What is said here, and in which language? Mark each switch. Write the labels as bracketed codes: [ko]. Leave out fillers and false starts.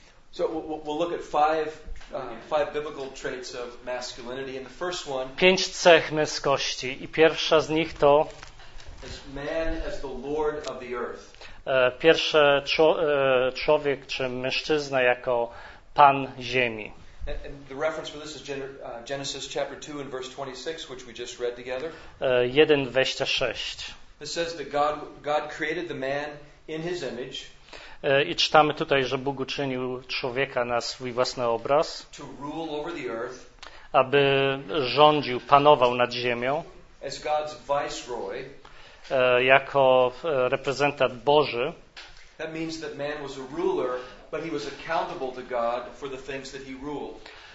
[en] So we'll look at five biblical traits of masculinity, and the first one. [pl] Pięć cech męskości i pierwsza z nich to. [en] As man as the lord of the earth. [pl] Pierwsze człowiek czy mężczyzna jako pan ziemi. [en] And the reference for this is Genesis chapter 2 and verse 26, which we just read together. [pl] 1:26. [en] It says that God created the man in his image. [pl] I czytamy tutaj, że Bóg uczynił człowieka na swój własny obraz, [en] to rule over the earth, [pl] aby rządził, panował nad ziemią, [en] as God's viceroy, [pl] jako reprezentant Boży. [en] That means that man was a ruler, but he was accountable to God for the things that he ruled.